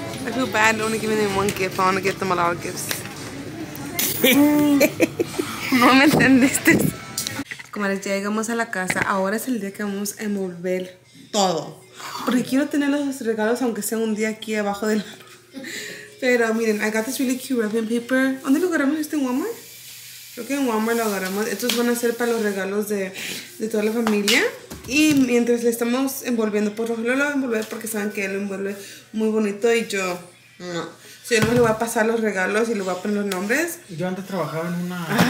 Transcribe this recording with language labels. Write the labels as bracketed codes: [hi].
[en] I feel bad only giving them one gift. I want to get them a lot of gifts. [es] No me entendiste. Como les llegamos a la casa, ahora es el día que vamos a envolver todo. Porque quiero tener los regalos, aunque sea un día aquí abajo del árbol. Pero miren, [en] I got this really cute wrapping paper. [es] ¿Dónde lo agarramos? ¿Este en Walmart? Creo que en Walmart lo agarramos. Estos van a ser para los regalos de toda la familia. Y mientras le estamos envolviendo, por favor, lo voy a envolver porque saben que él lo envuelve muy bonito y yo no. Si yo no, le voy a pasar los regalos y le voy a poner los nombres. Yo antes trabajaba en una...